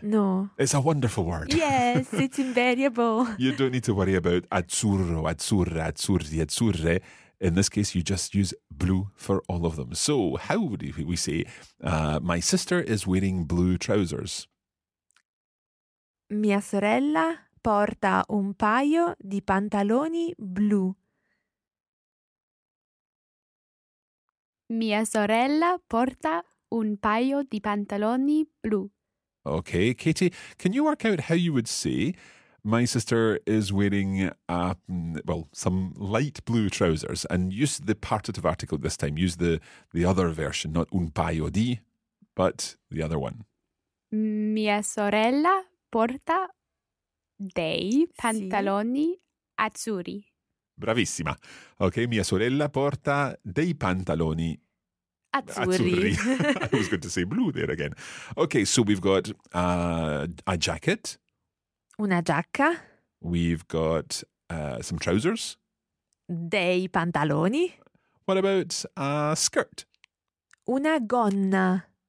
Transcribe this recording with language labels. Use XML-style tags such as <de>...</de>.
<en>No. It's a wonderful word. Yes, it's invariable. You don't need to worry about azzurro, azzurra, azzurri, azzurre. In this case, you just use blue for all of them. So how would we say, my sister is wearing blue trousers?</en> <it>Mia sorella porta un paio di pantaloni blu. Mia sorella porta un paio di pantaloni blu.</it> <en>Okay, Katie, can you work out how you would say, my sister is wearing, some light blue trousers. And use the partitive article this time. Use the other version, not</en> <it>un paio di,</it> <en>but the other one.</en> <it>Mia sorella porta dei pantaloni sì. azzurri. Bravissima. Okay, mia sorella porta dei pantaloni azzurri.</it> <en>I was going to say blue there again. Okay, so we've got a jacket.</en> <it>Una giacca.</it> <en>We've got some trousers.</en> <it>Dei pantaloni.</it> <en>What about a skirt?</en> <it>Una gonna.</it>